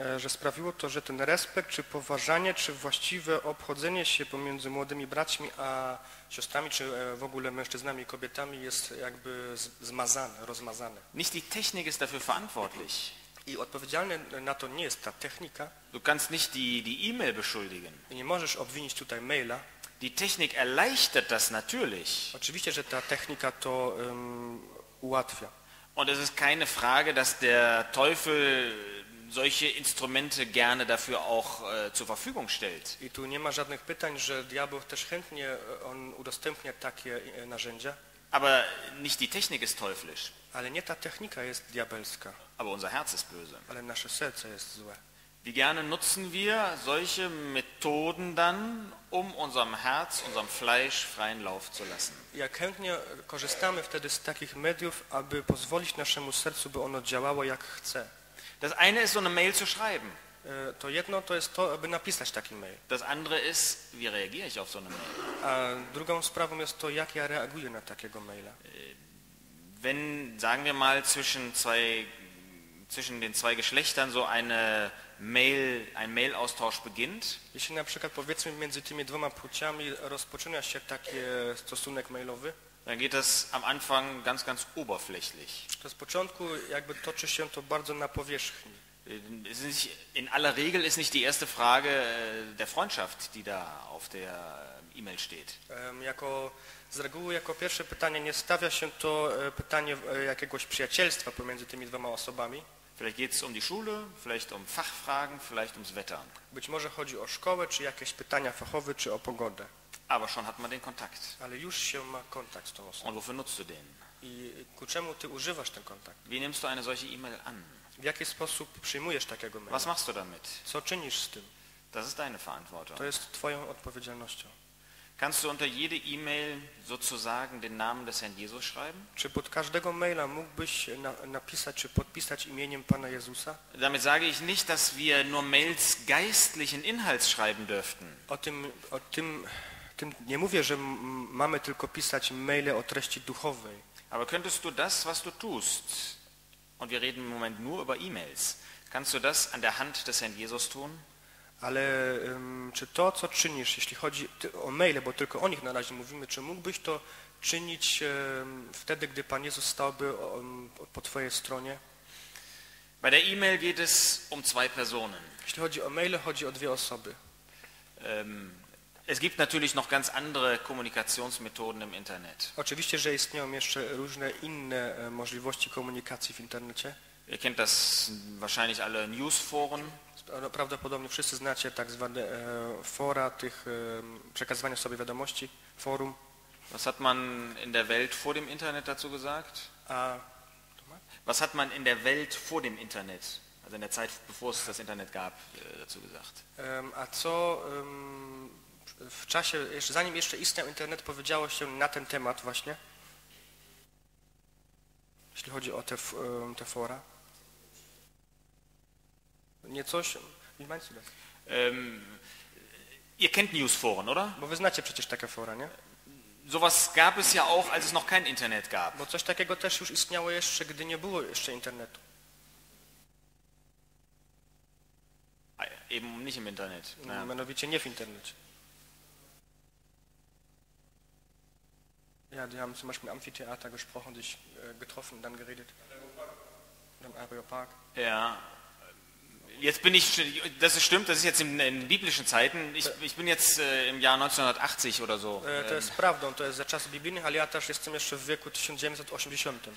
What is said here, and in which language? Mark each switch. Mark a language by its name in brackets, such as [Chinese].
[Polish] Że sprawiło to, że ten respekt, czy poważanie, czy właściwe obchodzenie się pomiędzy młodymi braćmi a siostrami, czy w ogóle mężczyznami i kobietami jest jakby zmazane, rozmazane. [German] Nicht die Technik ist dafür verantwortlich. [Polish] I odpowiedzialny na to nie jest ta technika. [German] Du kannst nicht die E-Mail beschuldigen. [Polish] I nie możesz obwinić tutaj maila. [German] Die Technik erleichtert das natürlich. [Polish] Oczywiście, że ta technika to ułatwia. [German] Und es ist keine Frage, dass der Teufel solche Instrumente gerne dafür auch zur Verfügung stellt. [Polish] I tu nie ma żadnych pytań, że diabeł też chętnie on udostępnia takie narzędzia. [German] Aber nicht die Technik ist teuflisch. [Polish] Ale nie ta technika jest diabelska. [German] Aber unser Herz ist böse. [Polish] Ale nasze serce jest złe. [German] Wie gerne nutzen wir solche Methoden dann, um unserem Herz, unserem Fleisch freien Lauf zu lassen? [Polish] Jak chętnie korzystamy wtedy z takich mediów, aby pozwolić naszemu sercu, by ono działało jak chce. [German] Das eine ist, so eine Mail zu schreiben. [Polish] To jedno to jest to, aby napisać taki mail. [German] Das andere ist, wie reagiere ich auf so eine Mail? [Polish] A drugą sprawą jest to, jak ja reaguję na takiego maila. [German] Wenn, sagen wir mal, zwischen den zwei Geschlechtern so eine Mail, ein Mailaustausch beginnt. [Polish] Jeśli na przykład powiedzmy między tymi dwoma płciami rozpoczyna się taki stosunek mailowy. [German] Dann geht das am Anfang ganz, ganz oberflächlich. [Polish] To z początku jakby toczy się to bardzo na powierzchni. [German] In aller Regel ist nicht die erste Frage der Freundschaft, die da auf der E-Mail steht. [Polish] Jako z reguły jako pierwsze pytanie nie stawia się to pytanie jakiegoś przyjacielstwa pomiędzy tymi dwoma osobami. [German] Vielleicht geht es um die Schule, vielleicht um Fachfragen, vielleicht ums Wetter. [Polish] Być może chodzi o szkołę, czy jakieś pytania fachowe, czy o pogodę. [German] Aber schon hat man den Kontakt. [Polish] Ale już się ma kontakt z tą osobą. [German] Und wofür nutzt du den? [Polish] I ku czemu ty używasz ten kontakt? [German] Wie nimmst du eine solche E-Mail an? [Polish] W jaki sposób przyjmujesz takiego maila? [German] Was machst du damit? [Polish] Co czynisz z tym? [German] Das ist deine Verantwortung. [Polish] To jest twoją odpowiedzialnością. [German] Kannst du unter jede E-Mail sozusagen den Namen des Herrn Jesus schreiben? [Polish] Czy pod każdego maila mógłbyś napisać czy podpisać imieniem Pana Jezusa? [German] Damit sage ich nicht, dass wir nur Mails geistlichen Inhalts schreiben dürften. [Polish] O tym nie mówię, że mamy tylko pisać maile o treści duchowej. [German] Aber könntest du das, was du tust, und wir reden im Moment nur über E-Mails, kannst du das an der Hand des Herrn Jesus tun? [Polish] Ale czy to, co czynisz, jeśli chodzi o maile, bo tylko o nich na razie mówimy, czy mógłbyś to czynić wtedy, gdy Pan Jezus stałby po Twojej stronie? [German] Bei der E-Mail geht es um zwei Personen. [Polish] Jeśli chodzi o maile, chodzi o dwie osoby. [German] Es gibt natürlich noch ganz andere Kommunikationsmethoden im Internet. [Polish] Oczywiście, że istnieją jeszcze różne inne możliwości komunikacji w Internecie. [German] Ihr kennt das wahrscheinlich alle Newsforen. [Polish] Prawdopodobnie wszyscy znacie tak zwane fora tych przekazywania sobie wiadomości, forum. [German] Was hat man in der Welt vor dem Internet dazu gesagt? Was hat man in der Welt vor dem Internet, also in der Zeit, bevor es das Internet gab, dazu gesagt? [Polish] A co w czasie, zanim jeszcze istniał Internet, powiedziało się na ten temat właśnie? Jeśli chodzi o te fora. Nie coś? [German] Wie meinst du das? Ihr kennt Newsforen, oder? [Polish] Bo wy znacie przecież takie fora, nie? [German] Sowas gab es ja auch, als es noch kein Internet gab. [Polish] Bo coś takiego też już istniało jeszcze, gdy nie było jeszcze Internetu. [German] A, eben nicht im Internet. No, ja. [Polish] Mianowicie nie w Internecie. [German] Ja, die haben zum Beispiel im Amphitheater gesprochen, dich getroffen, dann geredet. Im Areopark. Ja. Jetzt bin ich, das ist stimmt, das ist jetzt in biblischen Zeiten. Ich bin jetzt im Jahr 1980 oder so. [Polish] To jest prawdą, to jest za czasów biblijnych, ale ja też jestem jeszcze w wieku 1980.